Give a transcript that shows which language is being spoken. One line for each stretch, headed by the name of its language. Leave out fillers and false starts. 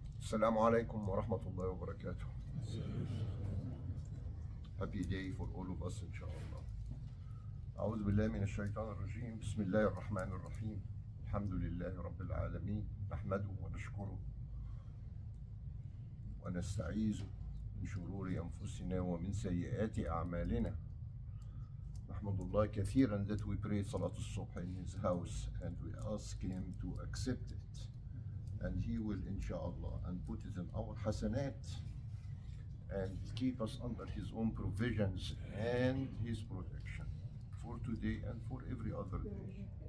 Arabic: السلام عليكم ورحمة الله وبركاته.
English: Happy day for all of us إن شاء الله.
Arabic: أعوذ بالله من الشيطان الرجيم. بسم الله الرحمن الرحيم. الحمد لله رب العالمين. نحمده ونشكره ونستعيذ من شرور أنفسنا ومن سيئات أعمالنا.
English: نحمد الله كثيرا that we pray صلاة الصبح in his house and we ask him to accept it. And he will, inshallah, and put it in our hasanat and keep us under his own provisions and his protection for today and for every other day.